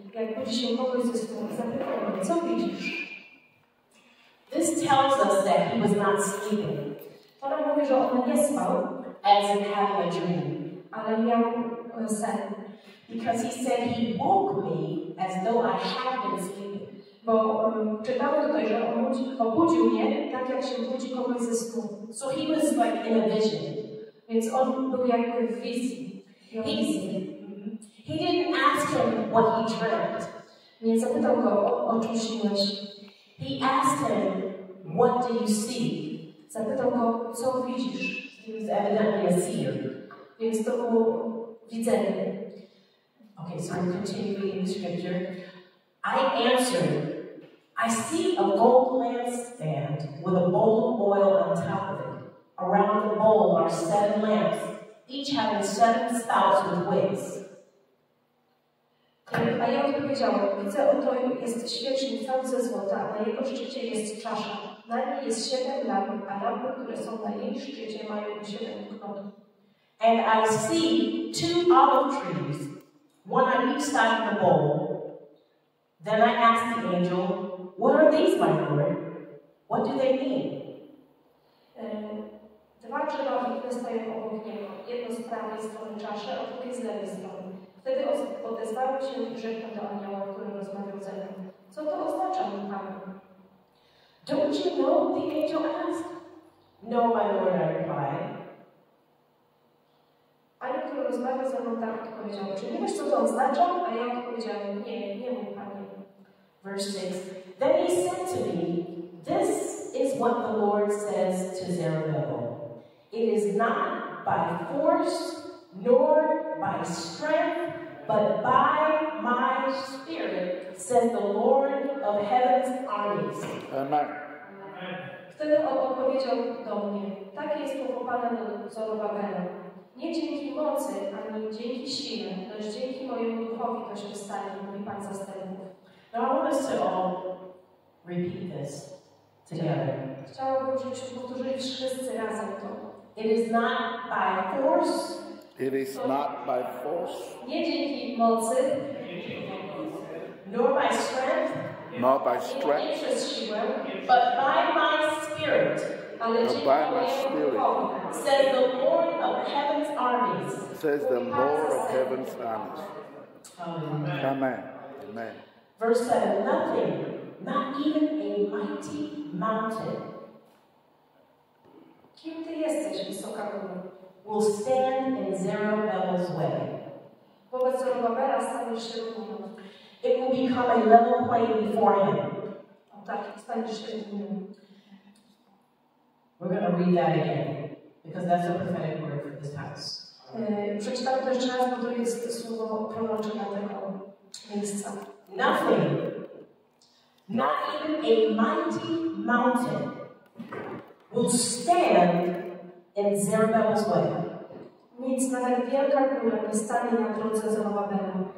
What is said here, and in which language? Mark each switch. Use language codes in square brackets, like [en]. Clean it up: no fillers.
[en] I was talking to you, so did you. This tells us that he was not sleeping. [pl] Ale mówię, że on nie spał. [en] As in having a dream. [pl] Ale miał sen. [en] Because he said he woke me as though I had been sleeping. [pl] Bo czytamy tutaj, że on obudził mnie, tak jak się budzi kogoś ze snu. [en] So he was like in a vision. [pl] Więc on był jakby w wizji. [en] He didn't ask him what he dreamt. [pl] Nie zapytał go o czym śniłeś. [en] He asked him, what do you see? [pl] Zapytał go, co widzisz? [en] He was evidently a seer. [pl] Więc to było widzenie. [en] Okay, so I'm continuing in the scripture. I answered, I see a gold lampstand with a bowl of oil on top of it. Around the bowl are seven lamps, each having seven spouts with wicks. [pl] A ja odpowiedziałam, widzę oto jest świecznik cały ze złota, a na jego szczycie jest czasza. Na niej jest siedem lamp, a lampy, które są na jej szczycie, mają siedem knot. [en] And I see two olive trees, one on each side of the bowl. Then I ask the angel, what are these, my lord? What do they mean? [pl] Dwa drzewa wystają obok niego. Jedno z prawej strony czasze, a drugie z lewej strony. Wtedy odezwałem się i rzekłem do anioła, który rozmawiał ze mną. Co to oznacza, mój panie? [en] Don't you know, the angel asked. No, my lord, I replied. [pl] Anioł, który rozmawiał ze mną, tak odpowiedział. Czy nie wiesz, co to oznacza? A ja odpowiedziałem, nie, nie, mój panie. [en] Verse 6. Then he said to me, this is what the Lord says to Zerubbabel. It is not by force, nor by strength, but by my spirit, says the Lord of heaven's armies. Amen. [pl] Wtedy odpowiedział do mnie, tak jest powołane do Zorobabela. Nie dzięki mocy, ani dzięki siły, lecz dzięki mojemu duchowi to się stanie, mówi Pan zastępów. [en] Now I want us to all repeat this together. [pl] Chciałabym, żebyśmy powtórzyli wszyscy razem to. [en] It is not by force. It is not by force. [pl] Nie dzięki mocy. [en] Nor by strength. Not by strength. But by my spirit. But by my spirit. Says the Lord of heaven's armies. Says the Lord of heaven's armies. Amen. Amen. Verse 7, nothing, not even a mighty mountain. [pl] Kim ty jesteś, wysoka góra? [en] Will stand in Zerubbabel's way. [pl] Wobec Zerubbabela staniesz się równo. [en] It will become a level plain before him. [pl] O tak, staniesz się równo. [en] We're going to read that again, because that's a prophetic word for this house. [pl] Przeczytam to jeszcze raz, bo to jest to słowo prorocze na tego miejsca. [en] Nothing, not even a mighty mountain, will stand in Zerubbabel's way. [pl] Nic, nawet wielka góra nie stanie na drodze Zerubbabela.